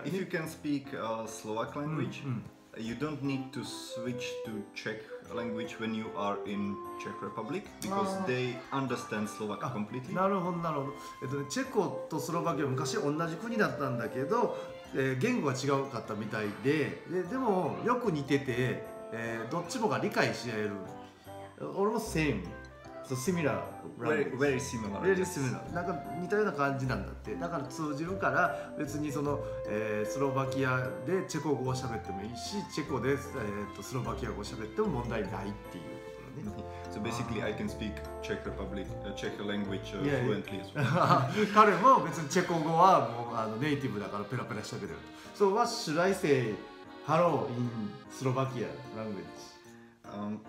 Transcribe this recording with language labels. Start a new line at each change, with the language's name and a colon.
English: Can, if you can speak Slovak language, mm-hmm. you don't need to switch to Czech language when you are in Czech Republic because they understand Slovak completely.
Japanese: なるほどなるほど。チェコとスロバキアは昔同じ国だったんだけど、言語は違うかったみたいで、でもよく似てて、どっちもが理解し合える。俺も
English: same. So similar, very similar. Very similar.
Japanese: なんか似たような感じなんだって。だから通じるから別にその、スロバキアでチェコ語を喋ってもいいし、チェコで、スロバキア語を喋っても問題ないっていうことだね。
English: So basically, I can speak Czech Republic, Czech language fluently as well.
Japanese: 彼も別にチェコ語はもうあのネイティブだからペラペラ喋れる。
English: So what should I say hello in Slovakia language?